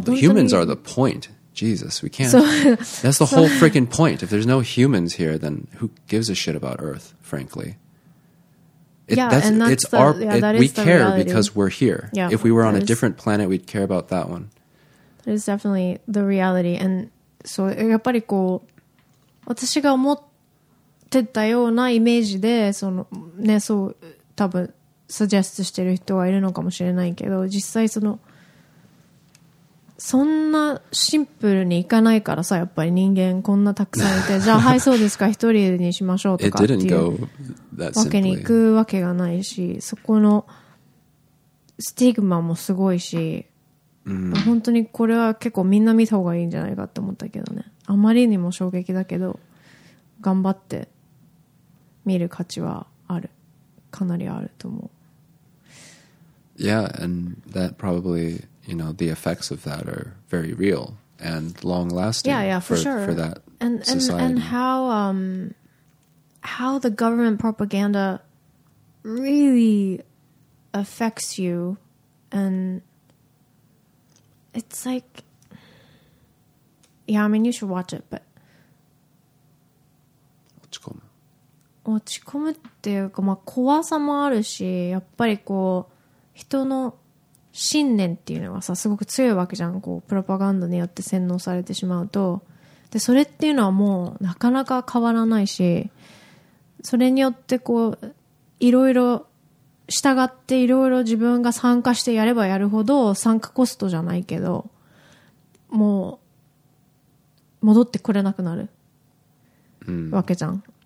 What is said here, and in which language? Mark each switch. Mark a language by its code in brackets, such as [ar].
[en] humans are the point. Jesus, we can't. That's the whole freaking point. If there's no humans here, then who gives a shit about Earth, frankly? We care because we're here. Yeah, if we were on a different planet, we'd care about that one. That is definitely the reality. And so, [ja] やっぱりこう、私が思ってたようなイメージで、そのね、そう。多分サジェストしてる人はいるのかもしれないけど、実際そのそんなシンプルにいかないからさ、やっぱり人間こんなたくさんいて、じゃあはいそうですか一人にしましょうとかっていうわけに行くわけがないし、そこのスティグマもすごいし、 mm-hmm. 本当にこれは結構みんな見た方がいいんじゃないかって思ったけどね、あまりにも衝撃だけど頑張って見る価値はある、かなりあると思う。 [en] Yeah, and that probably, you know, the effects of that are very real and long lasting. Yeah, yeah, for sure. For that society. And how the government propaganda really affects you, and it's like, yeah, I mean, you should watch it, but. [ja] 落ち込むっていうか、まあ、怖さもあるし、やっぱりこう人の信念っていうのはさ、すごく強いわけじゃん、こうプロパガンダによって洗脳されてしまうと、でそれっていうのはもうなかなか変わらないし、それによってこういろいろ従っていろいろ自分が参加してやればやるほど、参加コストじゃないけどもう戻ってくれなくなるわけじゃん、